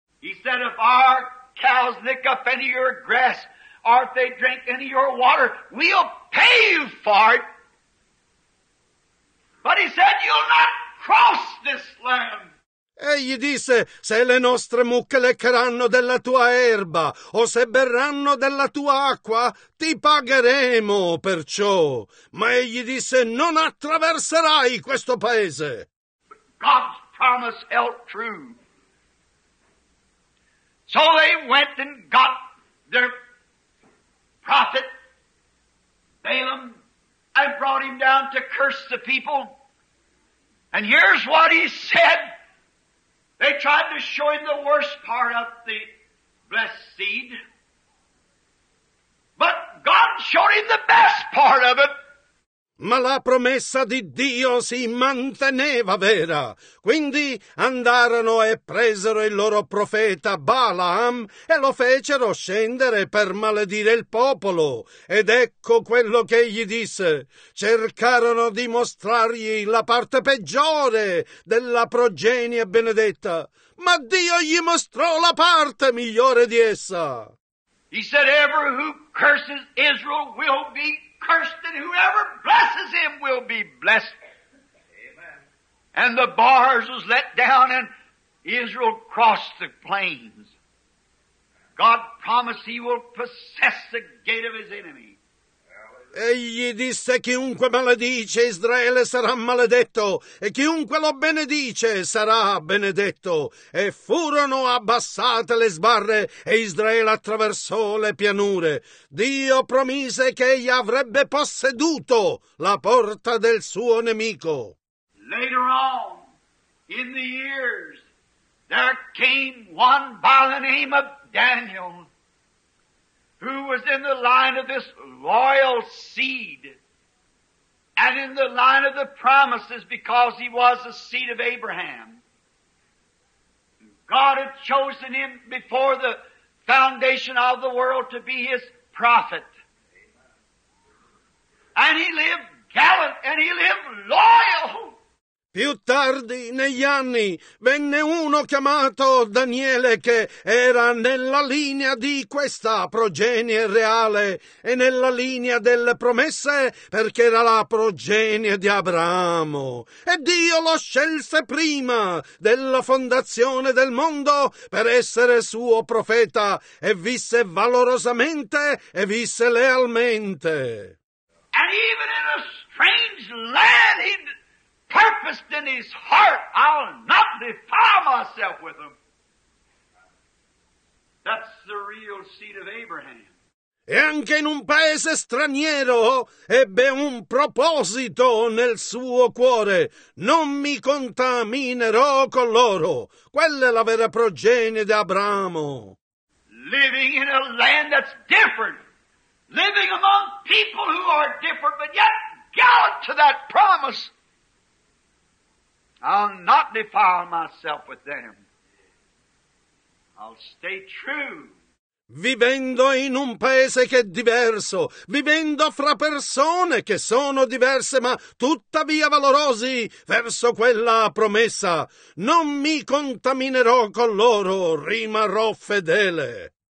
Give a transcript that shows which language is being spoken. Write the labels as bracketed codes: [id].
[en] He said, "If our cows lick up any of your grass, or if they drink any of your water, we'll pay you for it. But," he said, "you'll not cross this land." [it] E re gli disse, se le nostre mucche leccheranno della tua erba o se berranno della tua acqua, ti pagheremo per ciò. Ma egli disse, non attraverserai questo paese. [en] God's promise held true. So they went and got their prophet Balaam and brought him down to curse the people. And here's what he said. They tried to show him the worst part of the blessed seed. But God showed him the best part of it. [it] Ma la promessa di Dio si manteneva vera. Quindi andarono e presero il loro profeta Balaam e lo fecero scendere per maledire il popolo. Ed ecco quello che egli disse. Cercarono di mostrargli la parte peggiore della progenie benedetta. Ma Dio gli mostrò la parte migliore di essa. [en] He said, "Every who curses Israel will be cursed, and whoever blesses him will be blessed." Amen. And the bars was let down, and Israel crossed the plains. God promised he will possess the gate of his enemy. [it] Egli disse, chiunque maledice Israele sarà maledetto, e chiunque lo benedice sarà benedetto. E furono abbassate le sbarre, e Israele attraversò le pianure. Dio promise che egli avrebbe posseduto la porta del suo nemico. [en] Later on, in the years, there came one by the name of Daniel, who was in the line of this loyal seed and in the line of the promises because he was the seed of Abraham. God had chosen him before the foundation of the world to be his prophet. And he lived gallant and he lived loyal. [it] Più tardi, negli anni, venne uno chiamato Daniele che era nella linea di questa progenie reale e nella linea delle promesse perché era la progenie di Abramo. E Dio lo scelse prima della fondazione del mondo per essere suo profeta e visse valorosamente e visse lealmente. [en] And even in a strange land he purposed in his heart, I'll not defile myself with him. That's the real seed of Abraham. [it] E anche in un paese straniero ebbe un proposito nel suo cuore. Non mi contaminerò con loro. Quella è la vera progenie di Abramo. [en] Living in a land that's different. Living among people who are different, but yet gallant to that promise. I'll not defile myself with them. I'll stay true. [it] Vivendo in un paese che è diverso, vivendo fra persone che sono diverse, ma tuttavia valorosi verso quella promessa, non mi contaminerò con loro, rimarrò fedele.